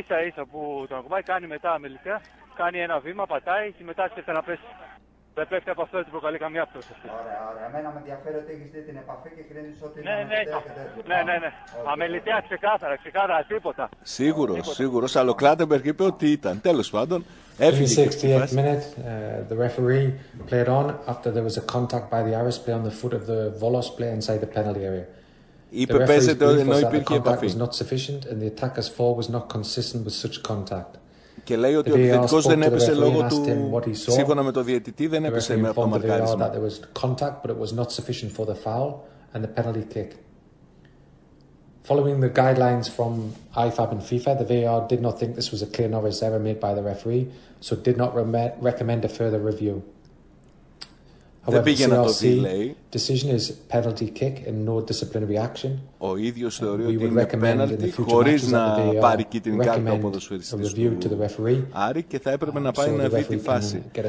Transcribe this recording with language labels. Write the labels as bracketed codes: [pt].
[el] Ίσα που τον Ακουμπάκη κάνει μετά αμεληταία. Κάνει ένα βήμα, πατάει και μετά σκέφτε να πέσει. Δεν πέφτει από αυτό, δεν προκαλεί καμία πτώση. Ωραία. Εμένα με ενδιαφέρει ότι έχεις δει την επαφή και κρίνεις ότι είναι αμεληταία. Ναι. Αμεληταία, ξεκάθαρα, τίποτα. Σίγουρος. Αλλά ο Κλάτεμπεργκ είπε ότι ήταν. Τέλος πάντων, έφυγε. [en] 68th minute, the referee played on after there was a contact by the Irish player on the foot of the Volos player inside the penalty area. [el] Είπε πέσετε ότι ενώ υπήρχε επαφή. [en] The contact was not sufficient and the attacker's fall was not consistent with such contact. [el] Και λέει ότι ο επιθετικός δεν έπεσε λόγω του, σύμφωνα με το διαιτητή, δεν έπεσε με αυτό το μαρκάρισμα. [en] Contact, but it was not sufficient for the foul and the penalty kick. Following the guidelines from IFAB and FIFA, the VAR did not think this was a clear novice error made by the referee, so did not recommend a further review. [el] Δεν πήγε να το δει, λέει. [en] Decision is penalty kick and no disciplinary action. [el] Ο ίδιος θεωρεί ότι είναι πέναλτι χωρίς να πάρει κίτρινη κάρτα ο ποδοσφαιριστής του Άρη και θα έπρεπε να πάει να δει τη φάση.